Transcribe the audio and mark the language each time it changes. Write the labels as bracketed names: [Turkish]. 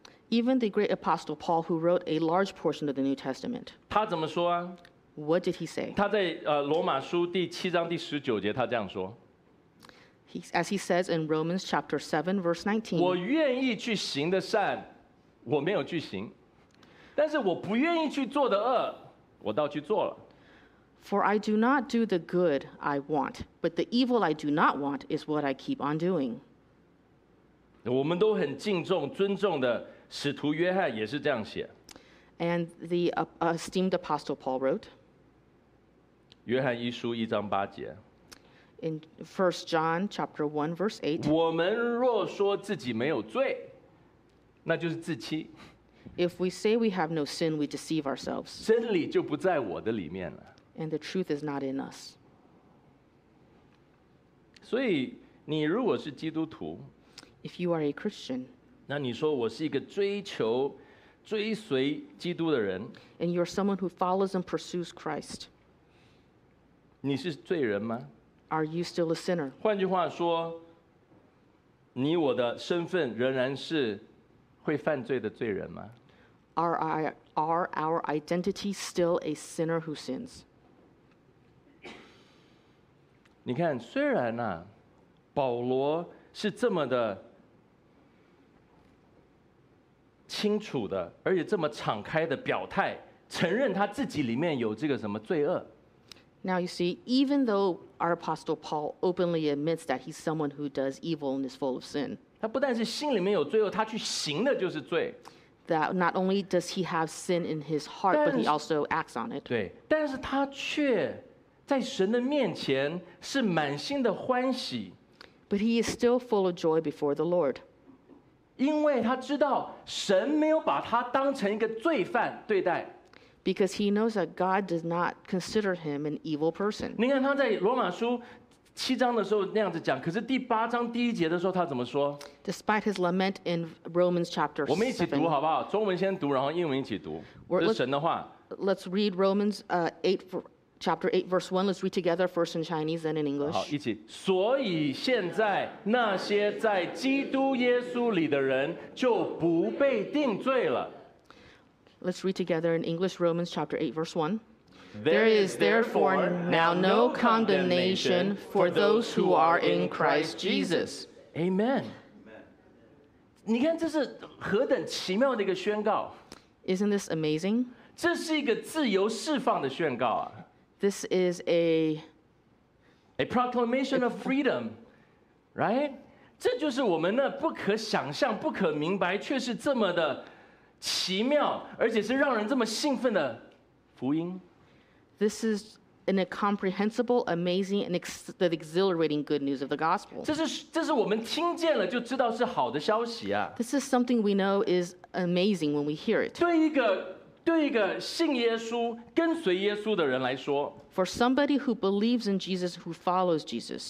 [English] ，Even the great apostle Paul, who wrote a large portion of the New Testament, [Chinese] 他怎么说啊 [English] ？What did he say？ [Chinese] 他在罗马书第七章第十九节，他这样说 [English] ：As he says in Romans chapter 7 verse 19， [Chinese] 我愿意去行的善，我没有去行；但是我不愿意去做的恶，我倒去做了。 [English] For I do not do the good I want, but the evil I do not want is what I keep on doing. [Chinese] 我们都很敬重、尊重的使徒约翰也是这样写。 [English] And the esteemed apostle Paul wrote. [Chinese] 约翰一书一章八节。 [English] In 1 John chapter 1 verse 8. [Chinese] 我们若说自己没有罪，那就是自欺。 [English] If we say we have no sin, we deceive ourselves. [Chinese] 真理就不在我的里面了。 [English] And the truth is not in us. [Chinese] 所以你如果是基督徒 [English] ，If you are a Christian， [Chinese] 那你说我是一个追求、追随基督的人 [English] ，And you're someone who follows and pursues Christ， [Chinese] 你是罪人吗 [English] Are you still a sinner? [Chinese] 换句话说，你我的身份仍然是会犯罪的罪人吗？ [English] Are our identity still a sinner who sins? [Chinese] 你看，虽然啊，保罗是这么的清楚的，而且这么敞开的表态，承认他自己里面有这个什么罪恶。 [English] Now you see, even though our apostle Paul openly admits that he's someone who does evil and is full of sin, [Chinese] 他不但是心里面有罪恶，他去行的就是罪。 [English] That not only does he have sin in his heart, but he also acts on it. [Chinese] 对，但是他却在神的面前是满心的欢喜。 [English] But he is still full of joy before the Lord. [Chinese] 因为他知道神没有把他当成一个罪犯对待。 [English] Because he knows that God does not consider him an evil person. [Chinese] 你看他在罗马书七章的时候那样子讲，可是第八章第一节的时候他怎么说 [English] ？Despite his lament in Romans chapter 7, [Chinese] 我们一起读好不好？中文先读，然后英文一起读。这是神的话。 [English] Let's read Romans 8, chapter 8, verse 1. Let's read together first in Chinese and in English. [Chinese] 好，一起。所以现在那些在基督耶稣里的人就不被定罪了。 [English] Let's read together in English, Romans chapter 8, verse 1. There is therefore now no condemnation for those who are in Christ Jesus. Amen. [Chinese] 你看这是何等奇妙的一个宣告。 [English] Isn't this amazing? [Chinese] 这是一个自由释放的宣告啊。 [English] This is a proclamation of freedom, right? [Chinese] 这就是我们那不可想象、不可明白，却是这么的奇妙，而且是让人这么兴奋的福音。 [English] This is an incomprehensible, amazing, and exhilarating good news of the gospel. [Chinese] 这是我们听见了就知道是好的消息啊。 [English] This is something we know is amazing when we hear it. [Chinese] 对一个信耶稣、跟随耶稣的人来说 [English] ，For somebody who believes in Jesus, who follows Jesus.